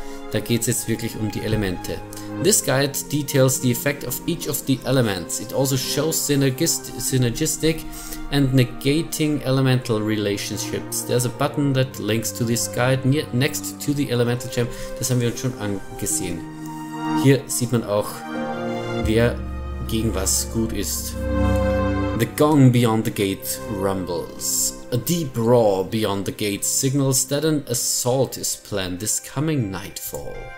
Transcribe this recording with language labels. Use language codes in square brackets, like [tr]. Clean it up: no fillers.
[de] Da geht's jetzt wirklich um die Elemente. [en] This guide details the effect of each of the elements. It also shows synergistic and negating elemental relationships. There's a button that links to this guide near next to the elemental gem. [de] Das haben wir uns schon angesehen. Hier sieht man auch, wer gegen was gut ist. [en] The gong beyond the gate rumbles. A deep roar beyond the gate signals that an assault is planned this coming nightfall.